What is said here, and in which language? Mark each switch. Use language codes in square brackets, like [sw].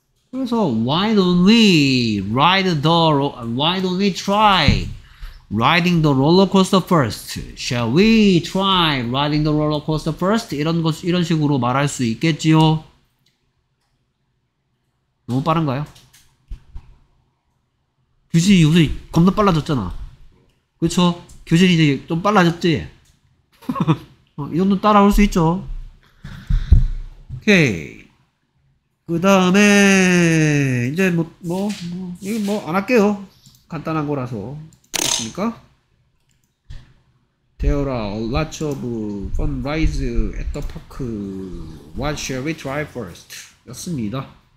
[ko] 그래서 [en] Why don't we try riding the roller coaster first. Shall we try riding the roller coaster first? [ko] 이런 식으로 말할 수 있겠지요. 너무 빠른가요? 규진이 요새 겁나 빨라졌잖아. 그쵸? 규진이 이제 좀 빨라졌지. 이 정도 따라올 수 있죠. 오케이. 그 다음에, 이제 뭐, 안 할게요. 간단한 거라서. 됐습니까? [en] There are lots of fun rides at the park. What shall we try first? [ko] 였습니다.